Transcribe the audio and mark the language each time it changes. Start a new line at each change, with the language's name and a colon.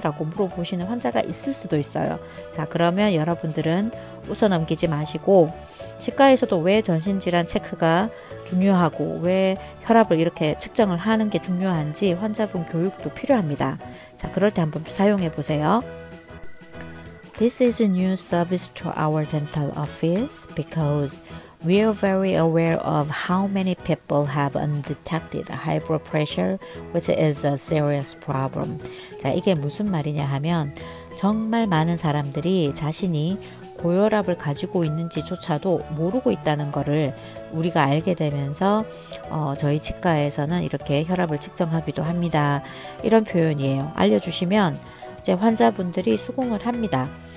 Korean: 라고 물어보시는 환자가 있을 수도 있어요. 자, 그러면 여러분들은 웃어넘기지 마시고, 치과에서도 왜 전신질환 체크가 중요하고 왜 혈압을 이렇게 측정을 하는 게 중요한지 환자분 교육도 필요합니다. 자, 그럴 때 한번 사용해 보세요.
English: This is a new service to our dental office because we are very aware of how many people have undetected high blood pressure, which is a serious problem.
Korean: 자, 이게 무슨 말이냐 하면 정말 많은 사람들이 자신이 고혈압을 가지고 있는지조차도 모르고 있다는 것을 우리가 알게 되면서 저희 치과에서는 이렇게 혈압을 측정하기도 합니다. 이런 표현이에요. 알려주시면 이제 환자분들이 수긍을 합니다.